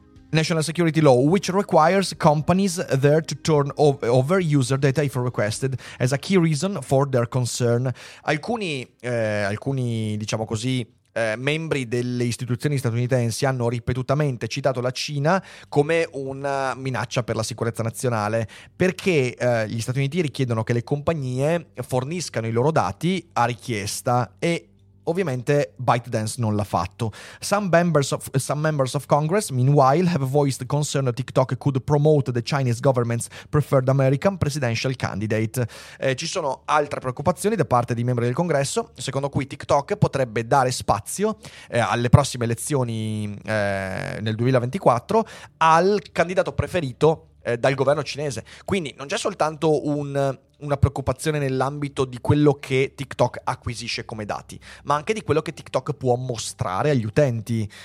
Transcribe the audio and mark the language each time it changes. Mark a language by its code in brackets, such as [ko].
[en] National Security Law, which requires companies there to turn over user data if requested, as a key reason for their concern. [it] Alcuni diciamo così, membri delle istituzioni statunitensi hanno ripetutamente citato la Cina come una minaccia per la sicurezza nazionale, perché gli Stati Uniti richiedono che le compagnie forniscano i loro dati a richiesta e ovviamente ByteDance non l'ha fatto. [en] Some members of Congress, meanwhile, have voiced concern that TikTok could promote the Chinese government's preferred American presidential candidate. [it] Ci sono altre preoccupazioni da parte di membri del Congresso, secondo cui TikTok potrebbe dare spazio alle prossime elezioni nel 2024 al candidato preferito dal governo cinese. Quindi non c'è soltanto una preoccupazione nell'ambito di quello che TikTok acquisisce come dati, ma anche di quello che TikTok può mostrare agli utenti.